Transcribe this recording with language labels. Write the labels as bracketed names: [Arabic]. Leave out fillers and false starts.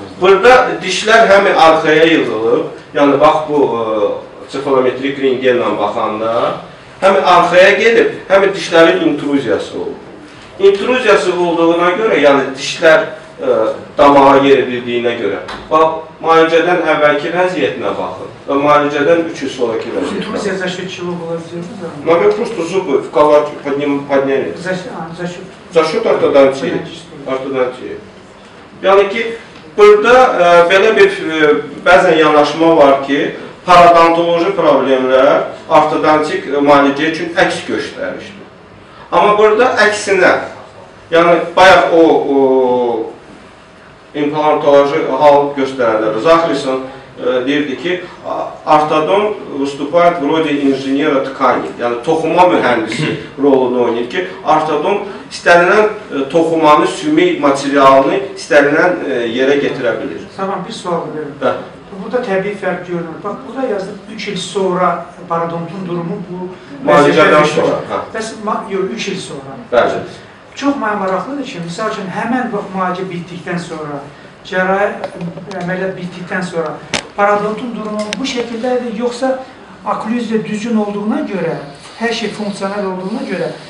[Azerbaijani] Burada dişlər həm arxaya yığılıb, yəni bax bu cefalometrik rengenlə baxanda həm arxaya gedib, həm dişlərin intruziyası olub. İntruziyası olduğuna görə, yəni dişlər damağa yer edildiyinə görə. Bax, müalicədən əvvəlki vəziyyətinə baxın və müalicədən 3 il sonraki vəziyyətinə baxın. [Russian] Intruziya za счёт чего была сделана? Ну, мы просто зубы в калач подняли. За счёт ортодонтии. [Azerbaijani] Yəni ki, burada belə bir bəzən yanaşma var ki, paradontoloji problemlər ortodontik müalicə üçün əks göstərişdir. Amma burada əksinə, yəni bayaq o implantoloji hal göstərilir. Zahrisin deyirdi ki, ortodont [Russian] выступает вроде инженера ткани, [Azerbaijani] yəni toxuma mühəndisi rolunu oynayır ki, ortodont istənilən toxumanı, sümük materialını istənilən yerə gətirə bilir. Tamam, bir sual verim. Bəli. Burada təbii fərq görünür. Bax, burada yazılıb 3 il sonra paradontun durumu bu müalicədən sonra. Bəs 3 il sonra. Bəli. Çox maraqlıdır ki, misal üçün, həmən bu müalicə bitdikdən sonra, cərrahi əməliyyat bitdikdən sonra paradontun durumu bu şəkildədir, yoxsa okluziya düzgün olduğuna görə, hər şey funksional olduğuna görə